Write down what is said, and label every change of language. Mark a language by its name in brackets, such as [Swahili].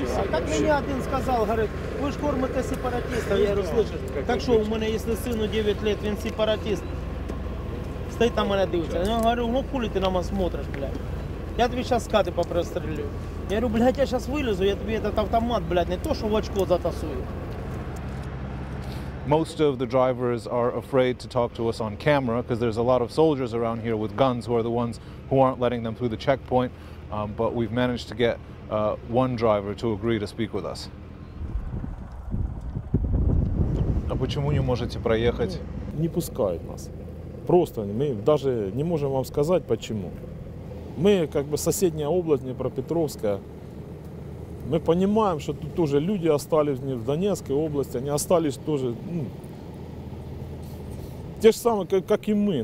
[Russian] Как мне один сказал, говорит, вы же кормите сепаратистов, я его слышал. Так что у меня, если сыну 9 лет, он сепаратист, стоит на меня дивится. Я говорю, ну хули ты на меня смотришь, блядь. Я тебе сейчас скаты попрострелю. Я говорю, блядь, я сейчас вылезу, я тебе этот автомат, блядь, не то, что в очко затасую. [English] Most of the drivers are afraid to talk to us on camera, because there's a lot of soldiers around here with guns who are the ones who aren't letting them through the checkpoint. But we've managed to get one driver to agree to speak with us. [Russian] А почему не можете проехать? Не пускают нас. Просто мы даже не можем вам сказать почему. Мы как бы соседняя область, Днепропетровская. Мы понимаем, что тут тоже люди остались не в Донецкой области, они остались тоже, ну, те же самые, как и мы.